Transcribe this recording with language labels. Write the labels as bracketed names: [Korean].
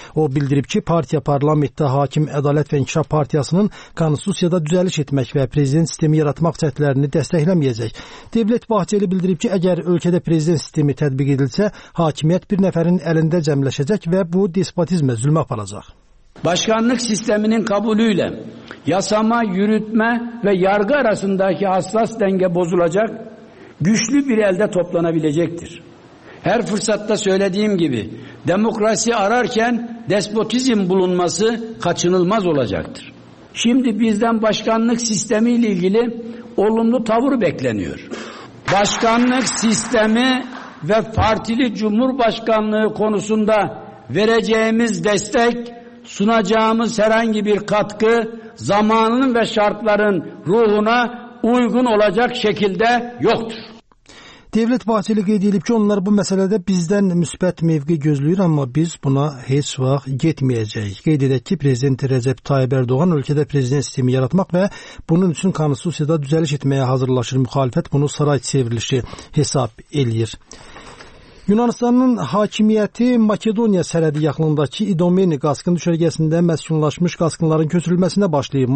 [Azerbaijani] O bildirib ki, partiya parlamentdə hakim Ədalət və İnkişaf Partiyasının konstitusiyada düzəliş etmək və prezident sistemi yaratmaq cəhdlərini dəstəkləməyəcək. Dəvlət Bahçeli bildirib ki, əgər ölkədə prezident sistemi tətbiq edilsə, hakimiyyət bir nəfərin əlində cəmləşəcək və bu despotizmə zülmə aparacaq. [Turkish] Başkanlık sisteminin kabulüyle yasama, yürütme ve yargı arasındaki hassas denge bozulacak, güçlü bir elde toplanabilecektir. Her fırsatta söylediğim gibi demokrasi ararken despotizm bulunması kaçınılmaz olacaktır. Şimdi bizden başkanlık sistemiyle ilgili olumlu tavır bekleniyor. Başkanlık sistemi ve partili cumhurbaşkanlığı konusunda vereceğimiz destek, sunacağımız herhangi bir katkı zamanın ve şartların ruhuna uygun olacak şekilde yoktur. [Azerbaijani] Devlet Bahçeli qeyd edib ki, onlar bu məsələdə bizdən müsbət mövqe gözləyir, amma biz buna heç vaxt getməyəcəyik. Qeyd edək ki, Prezident Rəcəb Tayyib Erdoğan ölkədə prezident sistemi yaratmaq və bunun üçün konstitusiyada düzəliş etməyə hazırlaşır. Müxalifət bunu saray çevrilişi hesab eləyir. Yunanistanın hakimiyyəti Makedoniya sərhədi yaxınlığındakı İdomeni qasqın düşərgəsində məskunlaşmış qasqınların köçürülməsinə başlayıb.